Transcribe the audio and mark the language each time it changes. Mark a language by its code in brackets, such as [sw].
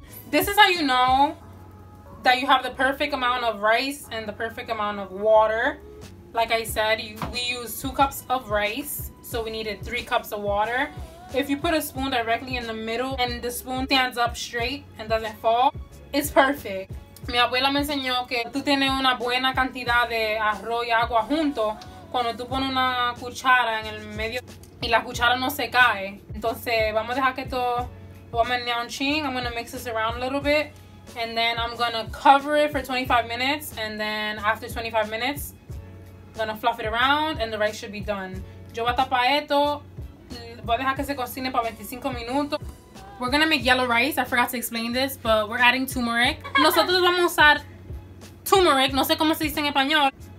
[en] This is how you know that you have the perfect amount of rice and the perfect amount of water. Like I said, we use 2 cups of rice, so we needed 3 cups of water. If you put a spoon directly in the middle and the spoon stands up straight and doesn't fall, it's perfect. [es] Mi abuela me enseñó que tú tienes una buena cantidad de arroz y agua junto cuando tú pones una cuchara en el medio y la cuchara no se cae. Entonces, vamos a dejar que todo... [en] I'm gonna mix this around a little bit and then I'm gonna cover it for 25 minutes and then after 25 minutes I'm gonna fluff it around and the rice should be done. [es] Yo voy a tapar esto, voy a dejar que se cocine para 25 minutos. [en] We're gonna make yellow rice. I forgot to explain this, but we're adding turmeric. [es] Nosotros vamos a usar turmeric, no sé cómo se dice en español.